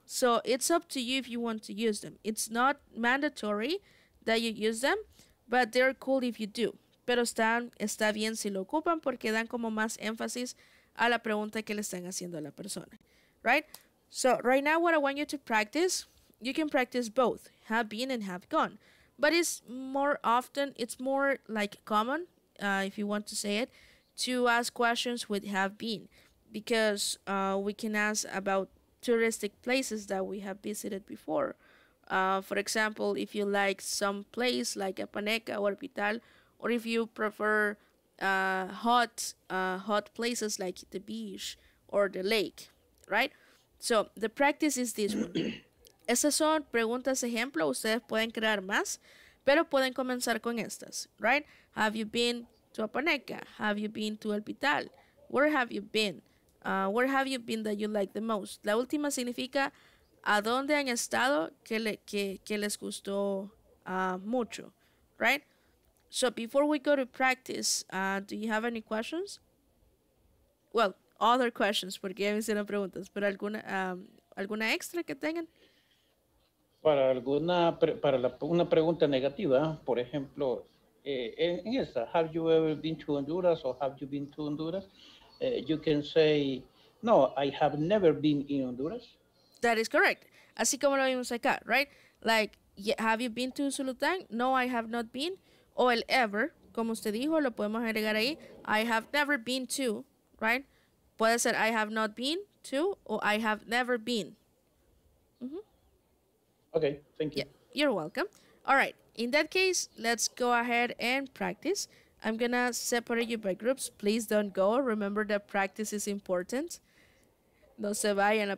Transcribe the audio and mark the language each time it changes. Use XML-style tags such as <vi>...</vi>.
<en>So, it's up to you if you want to use them. It's not mandatory that you use them, but they're cool if you do.</en> <es>Pero está bien si lo ocupan porque dan como más énfasis a la pregunta que le están haciendo a la persona.</es> <en>Right? So, right now what I want you to practice, you can practice both, have been and have gone. But it's more often, it's more like common, if you want to say it, to ask questions with have been, because we can ask about touristic places that we have visited before. For example, if you like some place like Apaneca or Pital, or if you prefer hot places like the beach or the lake, right? So the practice is this one.</en> <es>Esas son preguntas ejemplo. Ustedes pueden crear más, pero pueden comenzar con estas, right?</es> <en>Have you been to Apaneca? Have you been to El Pital? Where have you been? Where have you been that you like the most?</en> <es>La última significa ¿a dónde han estado que les gustó mucho? Right?</es> <en>So before we go to practice, do you have any questions? Well, other questions,</en> <es>porque ya me hicieron preguntas, pero alguna extra que tengan? Para una pregunta negativa, por ejemplo, in esa,</es> <en>have you ever been to Honduras or have you been to Honduras? You can say, no, I have never been in Honduras. That is correct.</en> <es>Así como lo vimos acá,</es> <en>right? Like, have you been to Zulután? No, I have not been.</en> <es>O el ever, como usted dijo, lo podemos agregar ahí.</es> <en>I have never been to, right?</en> <es>Puede ser</es> <en>I have not been to o I have never been. Mm-hmm. Okay, thank you. Yeah, you're welcome. All right. In that case, let's go ahead and practice. I'm going to separate you by groups. Please don't go. Remember that practice is important.</en> <es>No se vayan.</es>